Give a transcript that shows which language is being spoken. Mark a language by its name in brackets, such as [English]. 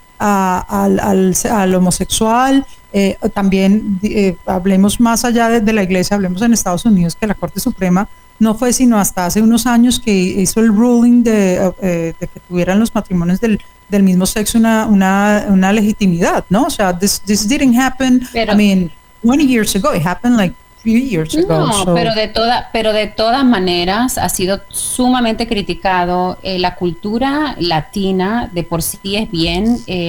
[Spanish] al homosexual. También hablemos más allá de la iglesia, hablemos en Estados Unidos, que la Corte Suprema no fue sino hasta hace unos años que hizo el ruling de que tuvieran los matrimonios del mismo sexo una legitimidad, ¿no? O sea, [English] this didn't happen, [Spanish] pero, [English] I mean, 20 years ago, it happened like 3 years ago. No, so. [Spanish] pero de todas maneras ha sido sumamente criticado. La cultura latina de por sí es bien...